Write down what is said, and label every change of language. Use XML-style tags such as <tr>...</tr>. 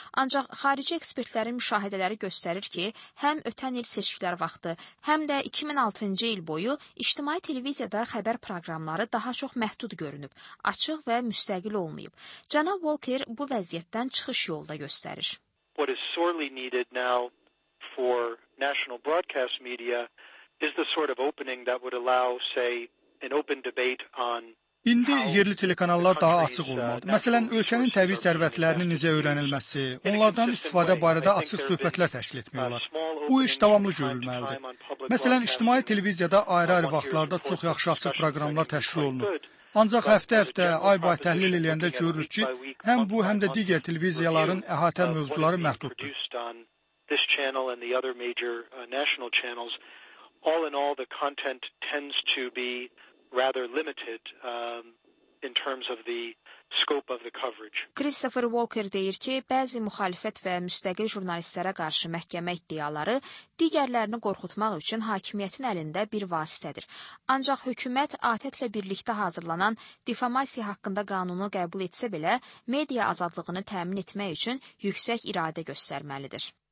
<az>Ancaq xarici ekspertlərin müşahidələri göstərir ki, həm ötən il seçkilər vaxtı, həm də 2006-cı il boyu ictimai televiziyada xəbər proqramları daha çox məhdud görünüb, açıq və müstəqil olmayıb. Cənab Walker bu vəziyyətdən çıxış yolu da göstərir.</az> <en>What is sorely needed now for national broadcast media is the sort of opening that would allow say an open debate on</en> <az>İndi yerli telekanallar daha açıq olmalıdır. Məsələn, ölkənin təbii sərvətlərinin necə öyrənilməsi, onlardan istifadə barədə açıq söhbətlər təşkil etməlidirlər. Bu iş davamlı görülməlidir. Məsələn, ictimai televiziyada ayrı-ayrı vaxtlarda çox yaxşı açıq proqramlar təşkil olunur. Ancaq həftə-həftə, ay-bay təhlil edəndə görürük ki, həm bu, həm də digər televiziyaların əhatə mövzuları məhduddur.</az> <en>This channel and the other major national channels, all in all, the content tends to be rather limited in terms of the scope of the coverage.</en> <az>Christopher Walker deyir ki, bəzi müxalifət və müstəqil jurnalistlərə qarşı məhkəmə iddiaları digərlərini qorxutmaq üçün hakimiyyətin əlində bir vasitədir. Ancaq hökumət ATƏT-lə birlikdə hazırlanan difamasiya haqqında qanunu qəbul etsə belə, media azadlığını təmin etmək üçün yüksək iradə göstərməlidir.</az>